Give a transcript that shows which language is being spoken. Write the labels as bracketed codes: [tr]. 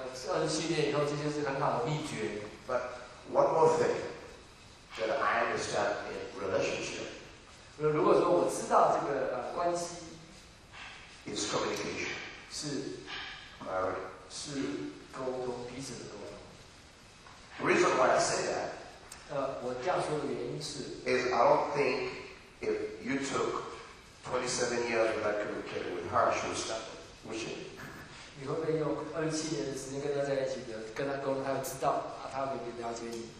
[zh] 然后，27年以后，这就是很好的秘诀。 [en] But one more thing that I understand in relationship. [zh] 如果说我知道这个关系, [en] it's communication. [zh] 是, [en] married. [zh] 是沟通，彼此的沟通。 [en] The reason why I say that, [zh] 我这样说的原因是, [en] is I don't think if you took 27 years without communicating with her, she would stop it. Would she? [zh] 你会不会用27年的时间跟他在一起，跟他沟通，他会知道，他会了解你。